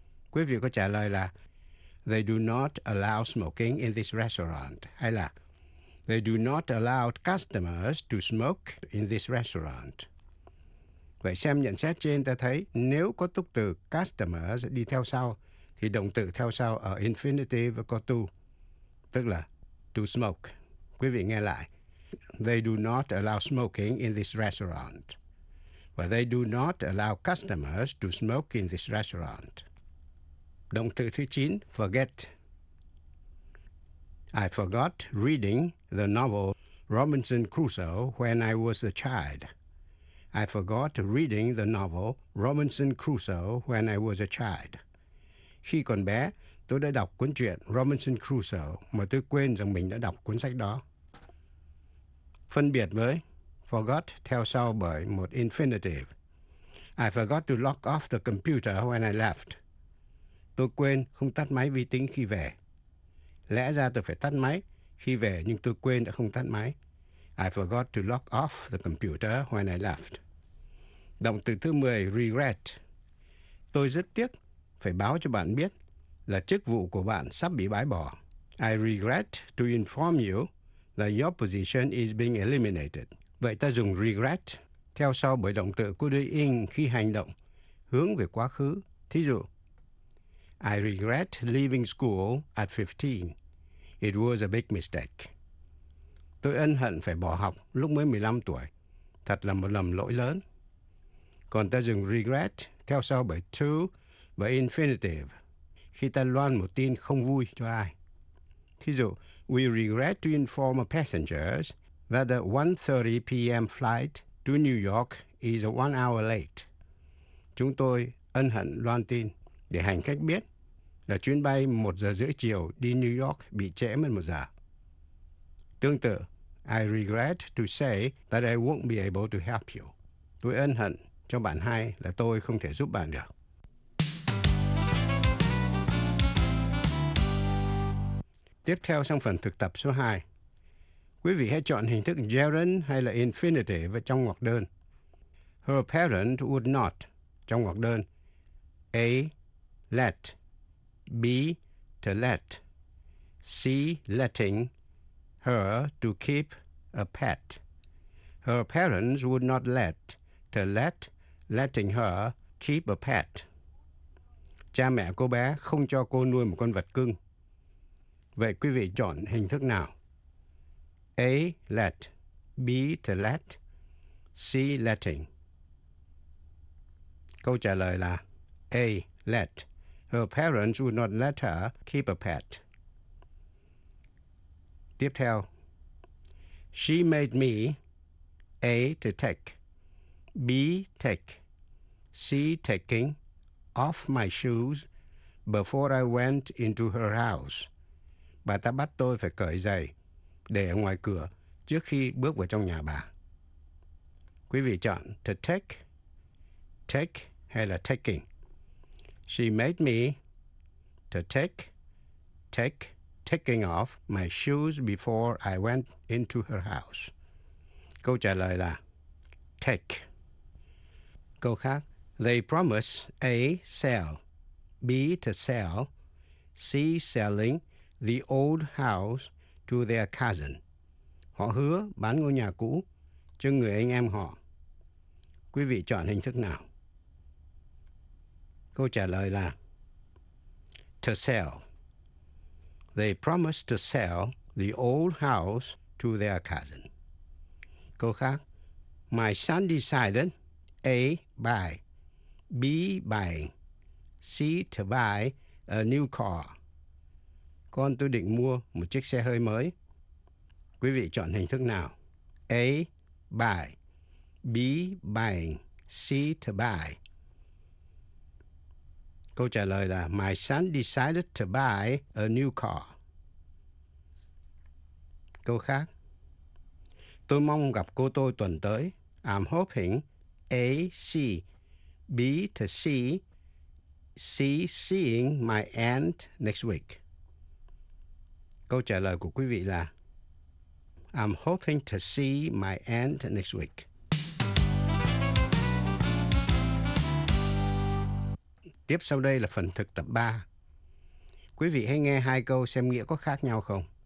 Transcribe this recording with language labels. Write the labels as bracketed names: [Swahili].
[Vietnamese] Quý vị có trả lời là [English] they do not allow smoking in this restaurant, [Vietnamese] hay là [English] they do not allow customers to smoke in this restaurant. [Vietnamese] Vậy xem nhận xét trên ta thấy nếu có túc từ customers đi theo sau thì động từ theo sau ở infinitive có to, tức là to smoke. Quý vị nghe lại. [English] They do not allow smoking in this restaurant. Và they do not allow customers to smoke in this restaurant. [Vietnamese] Động từ thứ 9, forget. [English] I forgot reading the novel Robinson Crusoe when I was a child. I forgot reading the novel Robinson Crusoe when I was a child. [Vietnamese] Khi còn bé, tôi đã đọc cuốn truyện Robinson Crusoe mà tôi quên rằng mình đã đọc cuốn sách đó. Phân biệt với forgot theo sau bởi một infinitive. [English] I forgot to lock off the computer when I left. [Vietnamese] Tôi quên không tắt máy vi tính khi về. Lẽ ra tôi phải tắt máy khi về nhưng tôi quên đã không tắt máy. [English] I forgot to lock off the computer when I left. [Vietnamese] Động từ thứ 10, regret. Tôi rất tiếc phải báo cho bạn biết là chức vụ của bạn sắp bị bãi bỏ. [English] I regret to inform you that your position is being eliminated. [Vietnamese] Vậy ta dùng regret theo sau bởi động từ doing khi hành động hướng về quá khứ. Thí dụ, [English] I regret leaving school at 15. It was a big mistake. [Vietnamese] Tôi ân hận phải bỏ học lúc mới 15 tuổi. Thật là một lầm lỗi lớn. Còn ta dùng regret theo sau bởi to và infinitive khi ta loan một tin không vui cho ai. Thí dụ, [English] we regret to inform passengers that the 1:30 p.m. flight to New York is 1 hour late. [Vietnamese] Chúng tôi ân hận loan tin để hành khách biết là chuyến bay 1 giờ rưỡi chiều đi New York bị trễ mất 1 giờ. Tương tự, [English] I regret to say that I won't be able to help you. [Vietnamese] Tôi ân hận cho bạn hay là tôi không thể giúp bạn được. Tiếp theo sang phần thực tập số 2. Quý vị hãy chọn hình thức gerund hay là infinitive trong ngoặc đơn. [English] Her parents would not [Vietnamese] trong ngoặc đơn. [English] A. Let. B. To let. C. Letting her to keep a pet. Her parents would not let to let letting her keep a pet. [Vietnamese] Cha mẹ cô bé không cho cô nuôi một con vật cưng. Vậy quý vị chọn hình thức nào? [English] A. Let. B. To let. C. Letting. [Vietnamese] Câu trả lời là [English] A. Let. Her parents would not let her keep a pet. [Vietnamese] Tiếp theo. [English] She made me A. To take. B. Take. C. Taking off my shoes before I went into her house. [Vietnamese] Bà ta bắt tôi phải cởi giày để ở ngoài cửa trước khi bước vào trong nhà bà. Quý vị chọn [English] to take, take [Vietnamese] hay là [English] taking. She made me to take, take, taking off my shoes before I went into her house. [Vietnamese] Câu trả lời là [English] take. [Vietnamese] Câu khác, [English] they promise A. Sell, B. To sell, C. Selling the old house to their cousin. [Vietnamese] Họ hứa bán ngôi nhà cũ cho người anh em họ. Quý vị chọn hình thức nào? Câu trả lời là [English] to sell. They promised to sell the old house to their cousin. [Vietnamese] Câu khác. [English] My son decided A. Buy. B. Buy. C. To buy a new car. [Vietnamese] Con tôi định mua một chiếc xe hơi mới. Quý vị chọn hình thức nào? [English] A. Buy. B. Buy. C. To buy. [Vietnamese] Câu trả lời là [English] My son decided to buy a new car. [Vietnamese] Câu khác. Tôi mong gặp cô tôi tuần tới. [English] I'm hoping A. See. B. To see. C. Seeing my aunt next week. [Vietnamese] Câu trả lời của quý vị là [English] I'm hoping to see my aunt next week. [Vietnamese] Tiếp sau đây là phần thực tập 3. Quý vị hãy nghe hai câu xem nghĩa có khác nhau không?